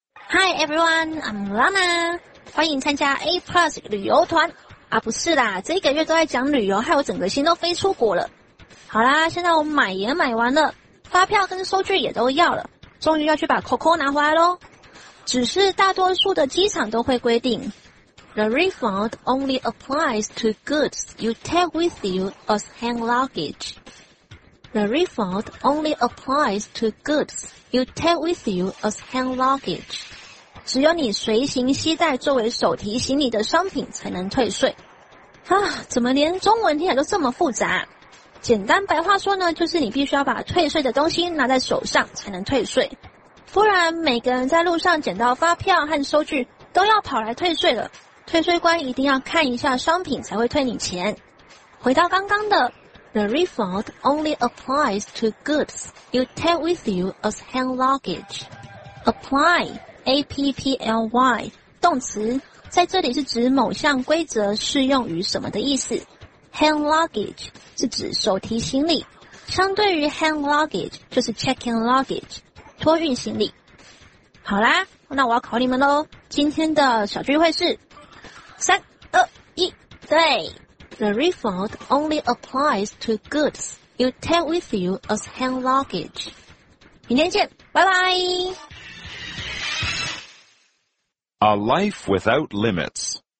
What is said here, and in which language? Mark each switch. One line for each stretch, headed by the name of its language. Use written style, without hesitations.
English: Hi everyone, I'm Lana.
Chinese: 欢迎参加 A Plus 旅游团啊，不是啦，这个月都在讲旅游，害我整个心都飞出国了。好啦，现在我买也买完了，发票跟收据也都要了，终于要去把 Coco 拿回来咯。只是大多数的机场都会规定
English: The refund only applies to goods you take with you as hand luggage. The refund only applies to goods you take with you as hand luggage.
Chinese: 只有你随行携带作为手提行李的商品才能退税啊，怎么连中文听起来都这么复杂？简单白话说呢，就是你必须要把退税的东西拿在手上才能退税，不然每个人在路上捡到发票和收据都要跑来退税了，退税官一定要看一下商品才会退你钱。回到刚刚的
English: The refund only applies to goods you take with you as hand luggage.
Chinese: ApplyApply, 动词，在这里是指某项规则适用于什么的意思。 Hand luggage 是指手提行李，相对于 hand luggage 就是 check-in luggage, 托运行李。好啦，那我要考你们咯，今天的小聚会是 3,2,1, 对。
English: The refund only applies to goods you take with you as hand luggage.
Chinese: 明天见，拜拜。
English: A life without limits.